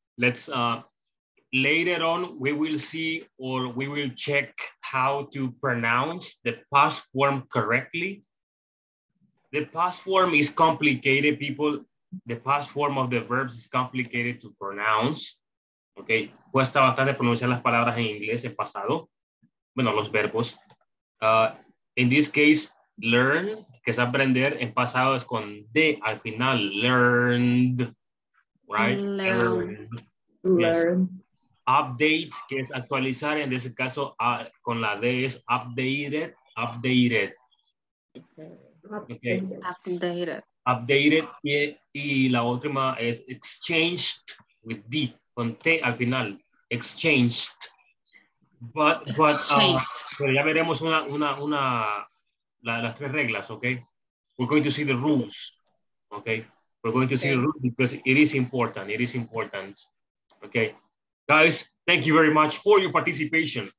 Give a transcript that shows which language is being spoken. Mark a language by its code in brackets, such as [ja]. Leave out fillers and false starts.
[en] Let's later on we will see, or we will check how to pronounce the past form correctly. The past form is complicated, people. The past form of the verbs is complicated to pronounce. [es] Okay, cuesta bastante pronunciar las palabras en inglés en pasado. Bueno, los verbos. [en] In this case, [es] learn, que es aprender, en pasado es con D al final, learned, right? [en] Learned. [es] Update, que es actualizar, en este caso con la D es updated. [en] Okay. [es] Updated. Y la última es exchanged with D, con T al final, exchanged. Pero ya veremos una las tres reglas, okay? [en] We're going to see the rules, okay? We're going to see the rules because it is important, okay? Guys, thank you very much for your participation.